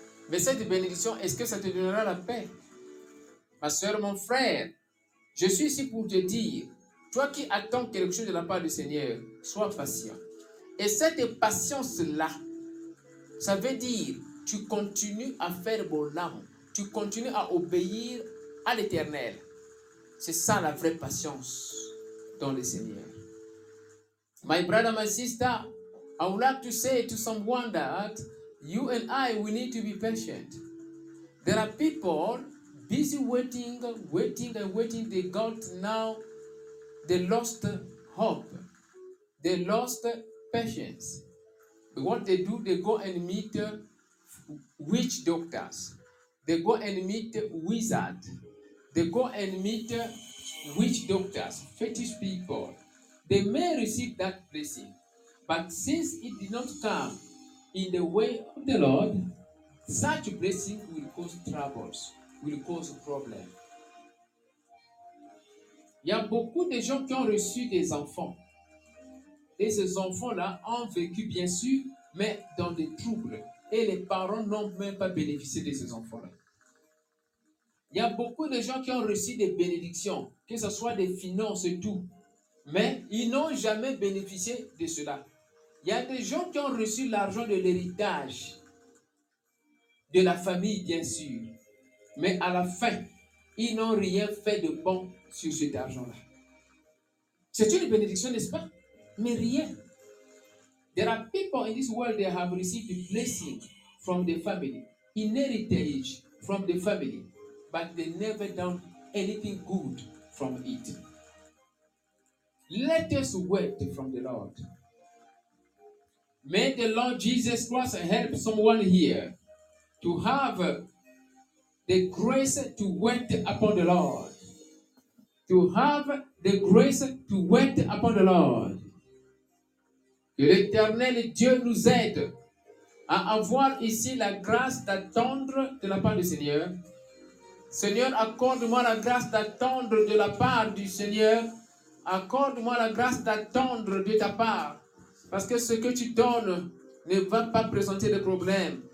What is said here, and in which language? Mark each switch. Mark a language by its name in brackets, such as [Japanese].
[French] Mais cette bénédiction, est-ce que ça te donnera la paix? Ma soeur, mon frère, je suis ici pour te dire, toi qui attends quelque chose de la part du Seigneur, sois patient. Et cette patience-là, ça veut dire, tu continues à faire bon âme, tu continues à obéir à l'Éternel. C'est ça la vraie patience dans le Seigneur. [English] My brother, my sister, I would like to say to someone that you and I, we need to be patient. There are people busy waiting, they got now the lost hope, the lost patience. But what they do, they go and meet witch doctors, they go and meet wizards, they go and meet witch doctors, fetish people. They may receive that blessing, but since it did not come in the way of the Lord, such blessing will cause troubles, will cause problems. [French] Il y a beaucoup de gens qui ont reçu des enfants. Et ces enfants-là ont vécu, bien sûr, mais dans des troubles. Et les parents n'ont même pas bénéficié de ces enfants-là. Il y a beaucoup de gens qui ont reçu des bénédictions, que ce soit des finances et tout. Mais ils n'ont jamais bénéficié de cela. Il y a des gens qui ont reçu l'argent de l'héritage, de la famille, bien sûr. Mais à la fin, ils n'ont rien fait de bon sur cet argent-là. C'est une bénédiction, n'est-ce pas? Mais rien. [English] There are people in this world that have received a blessing from the family, inheritance from the family, but they never done anything good from it. Let us wait from the Lord. May the Lord Jesus Christ help someone here to have the grace to wait upon the Lord. To have the grace to wait upon the Lord. [French] Que l'Éternel Dieu nous aide à avoir ici la grâce d'attendre de la part du Seigneur. Seigneur, accorde-moi la grâce d'attendre de la part du Seigneur. Accorde-moi la grâce d'attendre de ta part. Parce que ce que tu donnes ne va pas présenter de problème.